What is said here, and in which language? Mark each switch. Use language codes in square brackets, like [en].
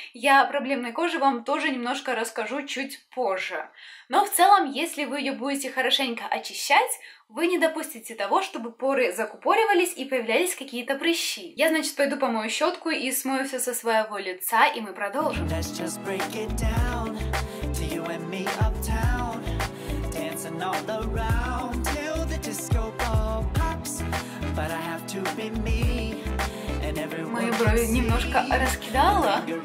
[ru] Я о проблемной коже вам тоже немножко расскажу чуть позже. Но в целом, если вы ее будете хорошенько очищать, вы не допустите того, чтобы поры закупоривались и появлялись какие-то прыщи. Я, значит, пойду помою щетку и смою все со своего лица, и мы продолжим. [en] Let's just break it down to you and me uptown, dancing all around till the disco ball pops, but I have to be me. And everyone [ru] мою брови немножко раскидала.